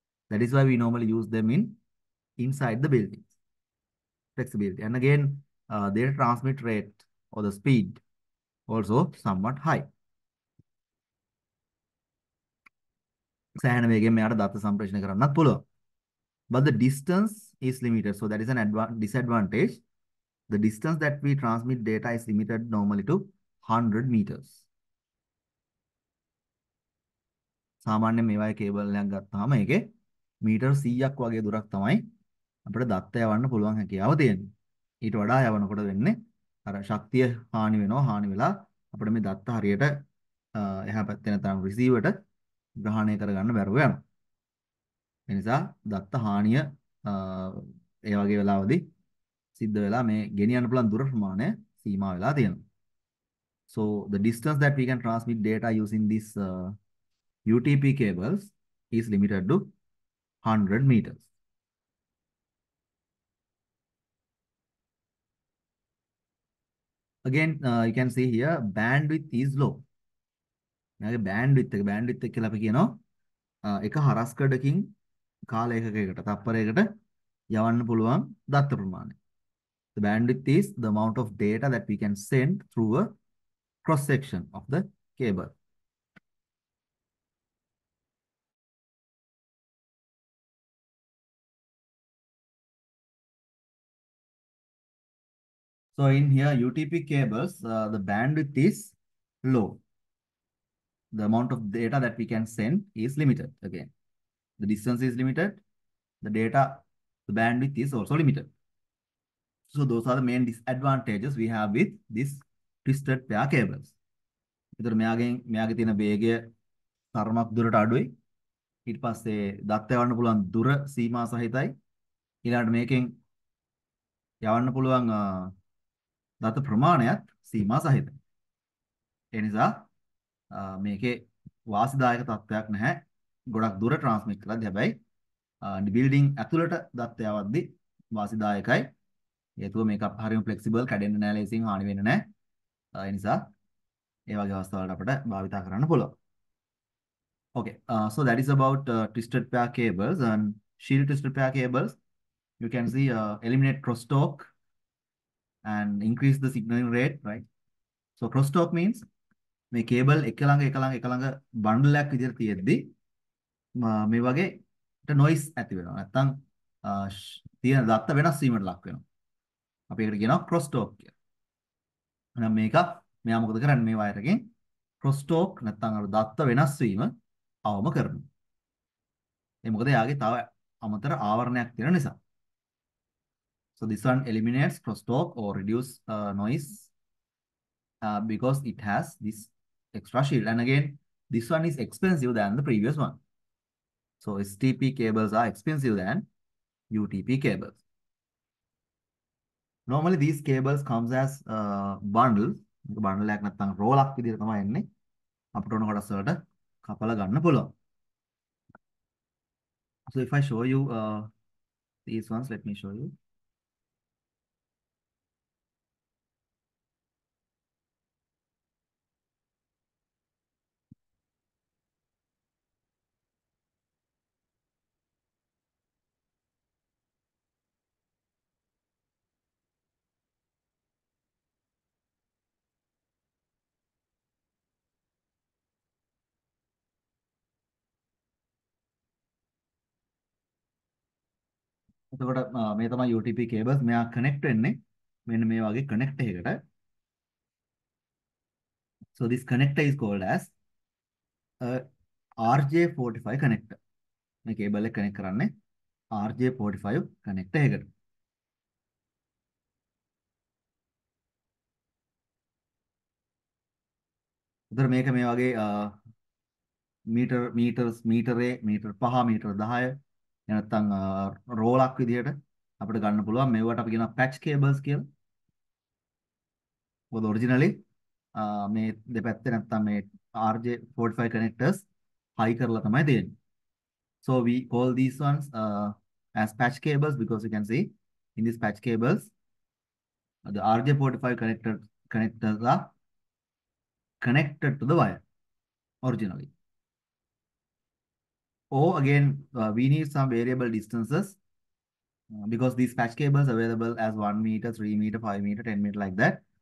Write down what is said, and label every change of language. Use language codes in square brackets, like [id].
[en] That is why we normally use them in inside the buildings. Flexibility. And again, their transmit rate or the speed also somewhat high. [si] සෑහෙන වේගයෙන් මෙයාට දත්ත සම්ප්‍රේෂණය කරන්නත් පුළුවන්. [en] But the distance is limited, so that is an disadvantage. The distance that we transmit data is limited normally to 100 meters. [si] සාමාන්‍යයෙන් මේ වගේ cable එකක් ගත්තාම ඒකේ මීටර් 100ක් වගේ දුරක් තමයි අපිට දත්ත යවන්න පුළුවන් හැකියාව තියෙන්නේ. ඊට වඩා යවනකොට වෙන්නේ අර ශක්තිය හානි වෙනවා හානි වෙලා අපිට මේ දත්ත හරියට එහා පැත්තේ නැත්නම් රිසීවර්ට ග්‍රහණය කරගන්න බැරුව යනවා. ඒ නිසා දත්ත හානිය ඒ වගේ වෙලාවදී සිද්ධ වෙලා මේ ගෙනියන්න පුළුවන් දුර ප්‍රමාණය සීමා වෙලා තියෙනවා. [en] So the distance that we can transmit data using this UTP cables is limited to 100 meters. Again, you can see here bandwidth is low. [si] නැගේ bandwidth එක bandwidth එක කියලා අපි කියනවා එක හරස්කඩකින් කාල ඒකකයකට තප්පරයකට යවන්න පුළුවන් දත්ත ප්‍රමාණය. [en] The bandwidth is the amount of data that we can send through a cross section of the cable. So in here, UTP cables, the bandwidth is low. The amount of data that we can send is limited. Again, the distance is limited. The data, the bandwidth is also limited. So those are the main disadvantages we have with this twisted pair cables. [si] එතකොට මෙයාගෙන් මෙයාගේ තියෙන වේගය තරමක් දුරට අඩුයි. ඊට පස්සේ දත්ත යවන්න පුළුවන් දුර සීමා සහිතයි. ඊළඟට මේකෙන් යවන්න පුළුවන් දත්ත ප්‍රමාණයත් සීමා සහිතයි. ඒ නිසා මේකේ වාසිදායක තත්ත්වයක් නැහැ. ගොඩක් දුර ට්‍රාන්ස්මිට් කරද්දී හැබැයි බිල්ඩින් ඇතුළට දත්ත යවද්දී වාසිදායකයි. හේතුව මේක හරියට ෆ්ලෙක්සිබල් කැඩෙන්නේ නැහැ ලේසින් හානි වෙන්නේ නැහැ. ඒ නිසා ඒ වගේ අවස්ථාවල් වලට අපිට භාවිත කරන්න පුළුවන්. [en] Okay, so that is about twisted pair cables and shield twisted pair cables. You can see eliminate crosstalk and increase the signaling rate, right? So crosstalk means [si] මේ කේබල් එක ළඟ එක ළඟ එක ළඟ බන්ඩල් එකක් විදිහට තියෙද්දී මේ වගේට noise ඇති වෙනවා. නැත්තම් තියෙන දත්ත වෙනස් වීමට ලක් වෙනවා. අපි ඒකට කියනවා crosstalk කියලා. නම් මේක මෙයා මොකද කරන්නේ මේ වයරකින් crosstalk නැත්නම් අර දත්ත වෙනස් වීම අවම කරනවා. ඒ මොකද යාගේ තව අමතර ආවරණයක් තියෙන නිසා. [en] So this one eliminates crosstalk or reduce noise because it has this extra shield. And again, this one is expensive than the previous one. So STP cables are expensive than UTP cables. Normally these cables comes as bundles. [si] Bundle එකක් නැත්නම් roll up විදිහට තමයි එන්නේ. අපිට ඕන කොටස් වලට කපලා ගන්න පුළුවන්. [en] So if I show you these ones, let me show you. [si] එතකොට මේ තමයි UTP cables මෙයා connect වෙන්නේ මෙන්න මේ වගේ connect එකකට. [en] So this connector is called as RJ45 connector. [si] මේ cable එක connect කරන්නේ RJ45 connector එකකට. උදේ මේක මේ වගේ meter meters meter a meter 5 meter 10 එනත්තම් රෝලක් විදියට අපිට ගන්න පුළුවන් මේවට අපි කියනවා patch cables කියලා. මොකද ඔරිජිනලි මේ දෙපැත්තේ නැත්තම් මේ RJ45 connectors high කරලා තමයි තියෙන්නේ. [en] So we call these ones as patch cables because you can see in these patch cables the RJ45 connectors are connected to the wire originally. Or again, we need some variable distances because these patch cables are available as 1 meter, 3 meter, 5 meter, 10 meter, like that.